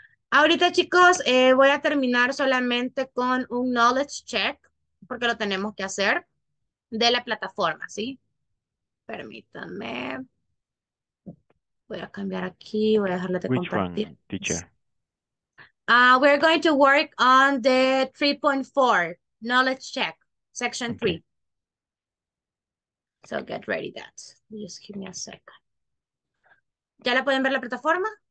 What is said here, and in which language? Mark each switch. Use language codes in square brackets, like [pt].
[es] Ahorita, chicos, voy a terminar solamente con un knowledge check, porque lo tenemos que hacer, de la plataforma, ¿sí? Permítanme. Voy a cambiar aquí, voy a dejarle de compartir. [en] Which one, teacher? We're going to work on the 3.4, knowledge check, section 3. Okay. So get ready that. Just give me a second. [es] ¿Ya la pueden ver la plataforma?